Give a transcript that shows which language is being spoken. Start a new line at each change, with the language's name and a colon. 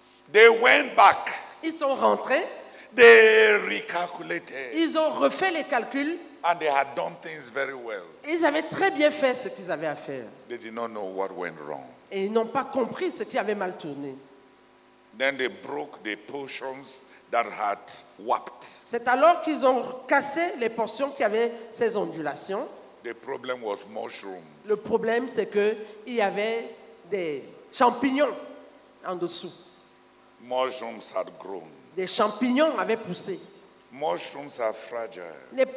English: They went back.
French: Ils sont rentrés.
English: They recalculated.
French: Ils ont refait les calculs.
English: And they had done things very well.
French: Ils avaient très bien fait ce qu'ils avaient à faire.
English: They did not know what went wrong.
French: Et ils n'ont pas compris ce qui avait mal tourné.
English: Then they broke the potions that had warped.
French: C'est alors qu'ils ont cassé les portions qui avaient ces ondulations.
English: The problem was mushrooms.
French: Le problème, c'est qu'il y avait des champignons en dessous.
English: Mushrooms had grown.
French: Des champignons avaient poussé.
English: Mushrooms are fragile.